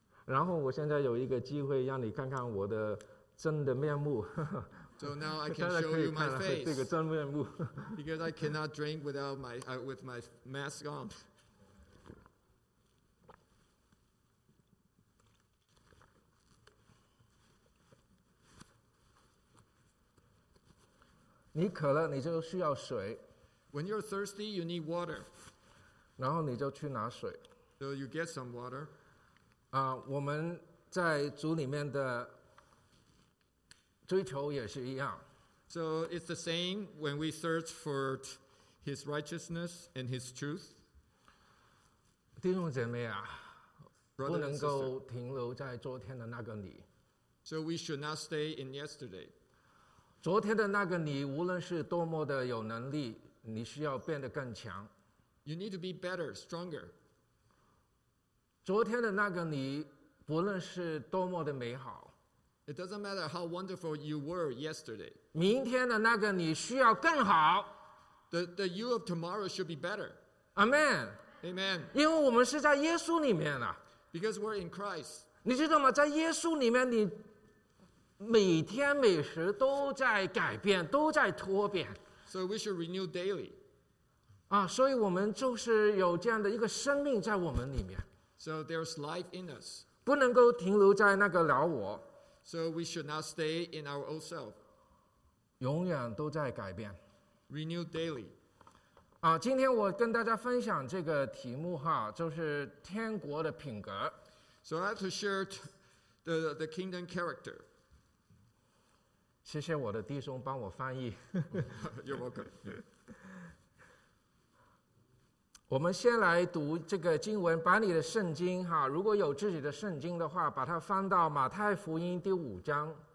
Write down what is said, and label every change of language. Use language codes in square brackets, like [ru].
[zh] 然后我现在有一个机会让你看看我的真的面目。 [en] So now I can show you my face. [zh] 这个真面目。 [en] Because I cannot drink without my, with my mask on. When you're thirsty, you need water. [zh] 然后你就去拿水。 [en] So you get some water. [zh] 我们在组里面的追求也是一样。 [en] So it's the same when we search for his righteousness and his truth. [zh] 弟兄姐妹啊， [en] Brother [zh] 不能够停留在昨天的那个你。 [en] So we should not stay in yesterday. [zh] 昨天的那个你，无论是多么的有能力，你需要变得更强。 [en] You need to be better, stronger. [zh] 昨天的那个你，不论是多么的美好。 [en] It doesn't matter how wonderful you were yesterday. [zh] 明天的那个你需要更好。 [en] The you of tomorrow should be better. Amen. Amen. [zh] 因为我们是在耶稣里面啊。 [en] Because we're in Christ. [zh] 你知道吗？在耶稣里面，你。每天每时都在改变，都在脱变。 [en] So we should renew daily. [zh] 所以我们就是有这样的一个生命在我们里面。 [en] So there's life in us. [zh] 不能够停留在那个老我。 [en] So we should not stay in our old self. [zh] 永远都在改变。 [en] Renew daily. [zh] 今天我跟大家分享这个题目哈，就是天国的品格。 [en] So I have to share the kingdom character. [zh] 谢谢我的弟兄帮我翻译。 [en] You're welcome. [zh] 我们先来读这个经文，把你的圣经哈，如果有自己的圣经的话，把它翻到马太福音第五章。